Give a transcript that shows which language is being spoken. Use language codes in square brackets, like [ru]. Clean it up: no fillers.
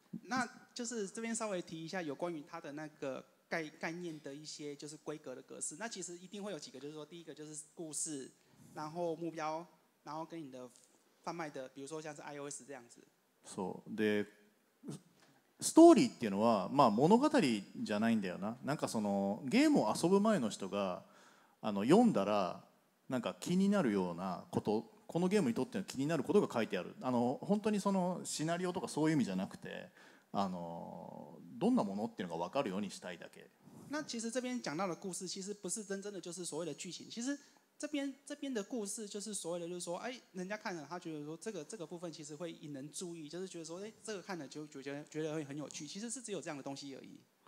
[zh] 那就是这边稍微提一下有关于它的那个概念的一些就是规格的格式。那其实一定会有几个，就是说第一个就是故事，然后目标，然后跟你的贩卖的，比如说像是 iOS 这样子。 [ja] そう。で、ストーリーっていうのはまあ物語じゃないんだよな。なんかそのゲームを遊ぶ前の人が読んだらなんか気になるようなこと、このゲームにとっての気になることが書いてある。本当にそのシナリオとかそういう意味じゃなくて、どんなものっていうのが分かるようにしたいだけ。 [zh] 那其实这边讲到的故事，其实不是真正的就是所谓的剧情。其实这边的故事就是所谓的，就是说，哎，人家看了他觉得说这个部分其实会引人注意，就是觉得说，哎，这个看了就觉得会很有趣。其实是只有这样的东西而已。